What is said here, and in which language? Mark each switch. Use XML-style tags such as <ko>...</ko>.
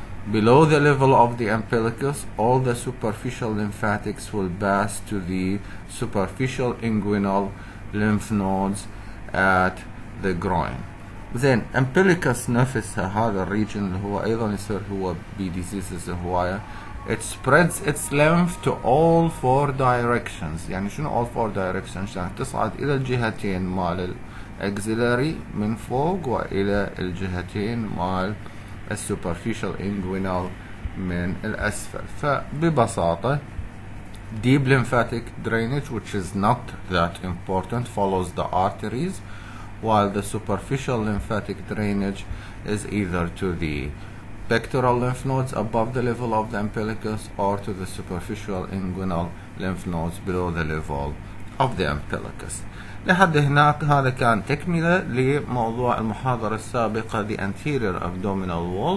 <en>Below the level of the umbilicus, all the superficial lymphatics will pass to the superficial inguinal lymph nodes at the groin. Then umbilicus</en> <ar>نفسها هذا region اللي هو أيضا يصير هو بي diseases هواية.</ar> <en>It spreads its lymph to all four directions.</en> <ar>يعني شنو</ar> <en>all four directions؟</en> <ar>يعني تصعد إلى الجهتين مال axillary من فوق وإلى الجهتين مال السوبرفيشال انجوينال من الاسفل.</ar> <en>فببساطه deep lymphatic drainage which is not that important follows the arteries while the superficial lymphatic drainage is either to the pectoral lymph nodes above the level of the umbilicus or to the superficial inguinal lymph nodes below the level of the umbilicus.</en> <ar>لحد هناك هذا كان تكملة لموضوع المحاضرة السابقة</ar> <en>the anterior abdominal wall.</en>